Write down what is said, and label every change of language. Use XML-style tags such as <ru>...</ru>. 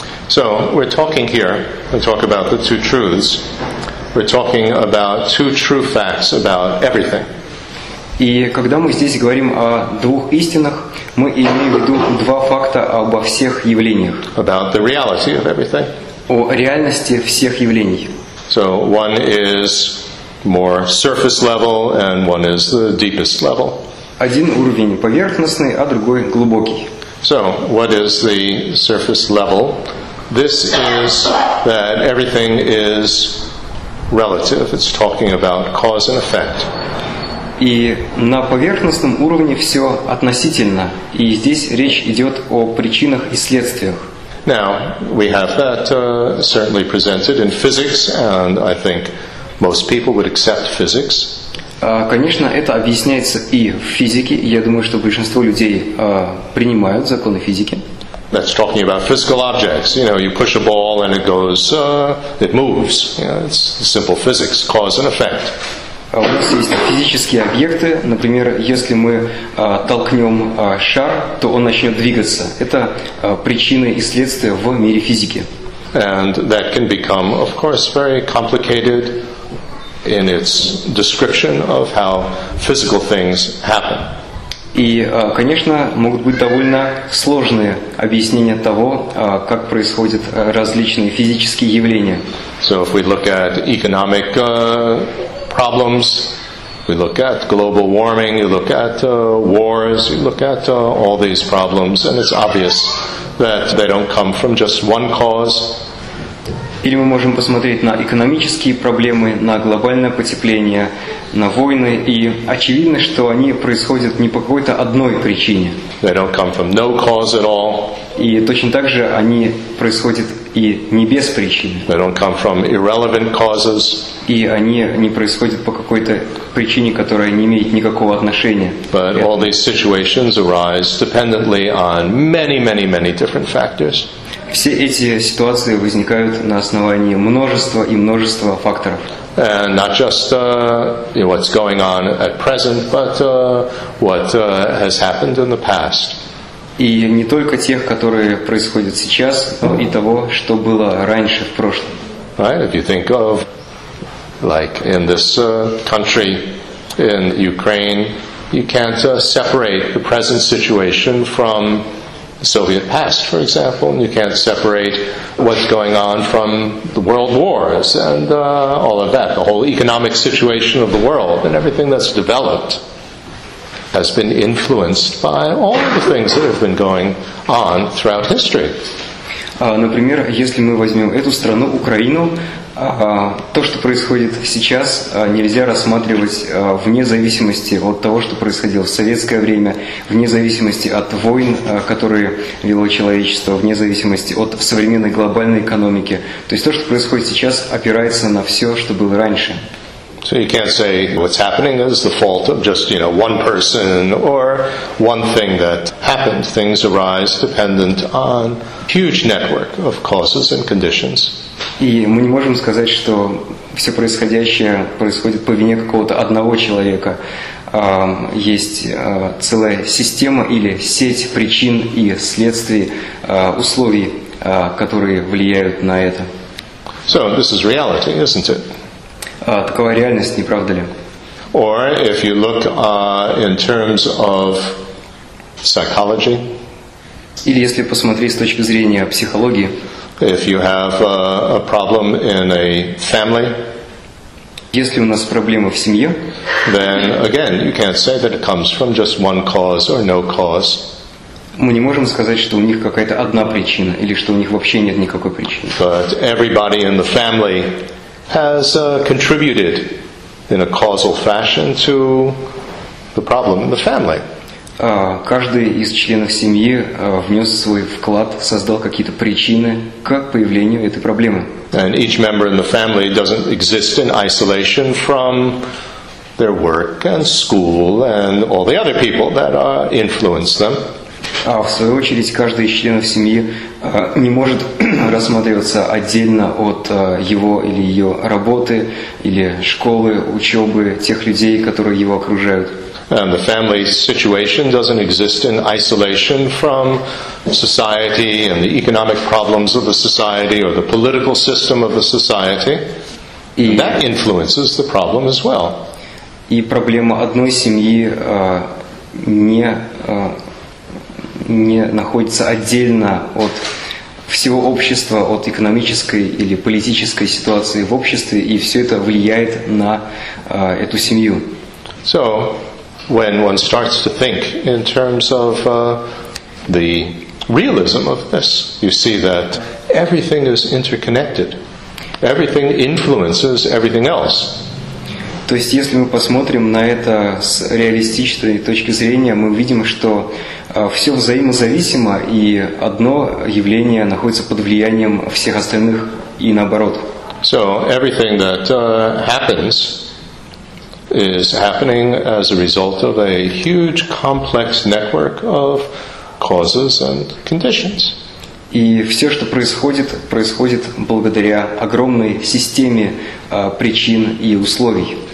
<en>So, we're talking here, we talk about the two truths. We're talking about two true facts about everything.</en> <ru>И когда мы здесь говорим о двух истинах, мы имеем в виду два факта обо всех явлениях.</ru> <en>About the reality of everything.</en> <ru>О реальности всех явлений.</ru> <en>So, one is more surface level, and one is the deepest level.</en> <ru>Один уровень поверхностный, а другой глубокий.</ru> <en>So, what is the surface level? This is that everything is relative. It's talking about cause and effect.</en> <ru>И на поверхностном уровне все относительно, и здесь речь идет о причинах и следствиях.</ru> <en>Now, we have that certainly presented in physics, and I think most people would accept physics.</en> <ru>Конечно, это объясняется и в физике. Я думаю, что большинство людей принимают законы физики.</ru> <en>That's talking about physical objects. You know, you push a ball and it goes, it moves. You know, it's simple physics, cause and effect.</en> <ru>У нас есть физические объекты. Например, если мы толкнем шар, то он начнет двигаться. Это причины и следствия в мире физики.</ru> <en>And that can become, of course, very complicated in its description of how physical things happen.</en> <ru>И, конечно, могут быть довольно сложные объяснения того, как происходят различные физические явления.</ru> <en>So if we look at economic problems, We look at global warming, you look at wars, you look at all these problems, and it's obvious that they don't come from just one cause.</en> <ru>Или мы можем посмотреть на экономические проблемы, на глобальное потепление, на войны, и очевидно, что они происходят не по какой-то одной причине.</ru> <en>They don't come from no cause at all.</en> <ru>И точно так же они происходят и не без причины.</ru> <en>They don't come from irrelevant causes.</en> <ru>И они не происходят по какой-то причине, которая не имеет никакого отношения.</ru> <en>But all these situations arise dependently on many, many, many different factors.</en> <ru>Все эти ситуации возникают на основании множества и множества факторов.</ru> <en>And not just what's going on at present, but what has happened in the past.</en> <ru>И не только тех, которые происходят сейчас, но и того, что было раньше в прошлом.</ru> <en>Right? If you think of, like in this country, in Ukraine, you can't separate the present situation from Soviet past, for example, and you can't separate what's going on from the world wars and all of that. The whole economic situation of the world and everything that's developed has been influenced by all of the things that have been going on throughout history.</en> <ru>Например, если мы возьмем эту страну, Украину, то, что происходит сейчас, нельзя рассматривать вне зависимости от того, что происходило в советское время, вне зависимости от войн, которые вело человечество, вне зависимости от современной глобальной экономики. То есть то, что происходит сейчас, опирается на все, что было раньше.</ru> <en>So you can't say what's happening is the fault of just, you know, one person or one thing that happened. Things arise dependent on huge network of causes and conditions.</en> <ru>И мы не можем сказать, что все происходящее происходит по вине какого-то одного человека. Есть целая система или сеть причин и следствий, условий, которые влияют на это.</ru> <en>So this is reality, isn't it?</en> <ru>Такова реальность, не правда ли?</ru> <en>Or if you look in terms of psychology.</en> <ru>Или если посмотреть с точки зрения психологии.</ru> <en>If you have a problem in a family.</en> <ru>Если у нас проблемы в семье.</ru> <en>Then again, you can't say that it comes from just one cause or no cause.</en> <ru>Мы не можем сказать, что у них какая-то одна причина, или что у них вообще нет никакой причины.</ru> <en>But everybody in the family has contributed in a causal fashion to the problem in the family.</en> <ru>Каждый из членов семьи внес свой вклад, создал какие-то причины к появлению этой проблемы.</ru> <en>And each member in the family doesn't exist in isolation from their work and school and all the other people that influence them.</en> <ru>А в свою очередь, каждый из членов семьи не может рассматриваться отдельно от его или ее работы, или школы, учебы, тех людей, которые его окружают.</ru> <en>And the family situation doesn't exist in isolation from society and the economic problems of the society or the political system of the society. And that influences the problem as well.</en> <ru>И проблема одной семьи не находится отдельно от всего общества, от экономической или политической ситуации в обществе, и все это влияет на эту семью.</ru> <en>So, when one starts to think in terms of the realism of this, you see that everything is interconnected. Everything influences everything else.</en> <ru>То есть, если мы посмотрим на это с реалистичной точки зрения, мы увидим, что все взаимозависимо, и одно явление находится под влиянием всех остальных, и наоборот.</ru> <en>So, everything that happens is happening as a result of a huge complex network of causes and conditions.</en> <ru>И все, что происходит, происходит благодаря огромной системе причин и условий.</ru>